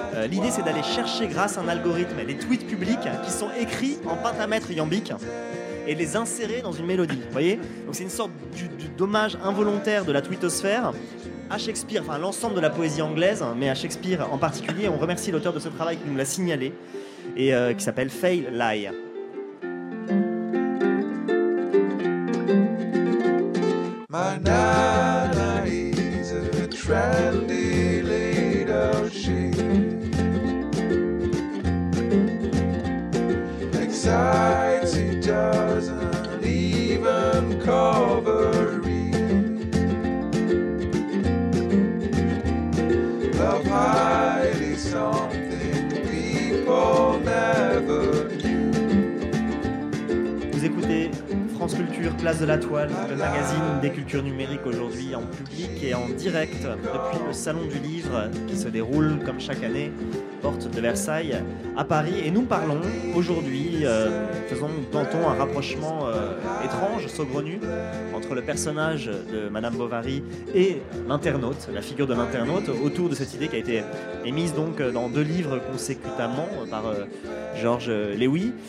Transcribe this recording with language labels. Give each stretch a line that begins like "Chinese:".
French: L'idée, c'est d'aller chercher grâce à un algorithme des tweets publics qui sont écrits en pentamètre iambique et les insérer dans une mélodie. Vous voyez ? Donc c'est une sorte de dommage involontaire de la tweetosphère à Shakespeare, enfin l'ensemble de la poésie anglaise, mais à Shakespeare en particulier. On remercie l'auteur de ce travail qui nous l'a signalé. et qui s'appelle Fail Lie.
English: My Nana is a trendy leader, she excites, he doesn't even cover me. Love might be something people never knew.
French: Vous écoutez France Culture, Place de la Toile, le magazine des cultures numériques aujourd'hui en public et en direct depuis le Salon du Livre qui se déroule comme chaque année, porte de Versailles à Paris. Et nous parlons aujourd'hui, tentons un rapprochement étrange, saugrenu, entre le personnage de Madame Bovary et l'internaute, la figure de l'internaute, autour de cette idée qui a été émise donc dans deux livres consécutamment par Georges Lévy.